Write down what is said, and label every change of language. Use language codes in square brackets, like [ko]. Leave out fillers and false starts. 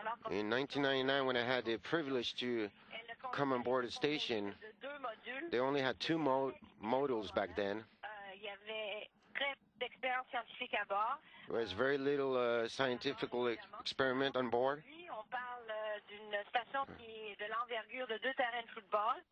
[en] In 1999, when I had the privilege to come on board a station, they only had two modules back then. [fr] Il y avait très peu d'expériences scientifiques à bord. [en] There was very little scientific experiment on board. [fr] On parle d'une station qui est de l'envergure de deux terrains de football.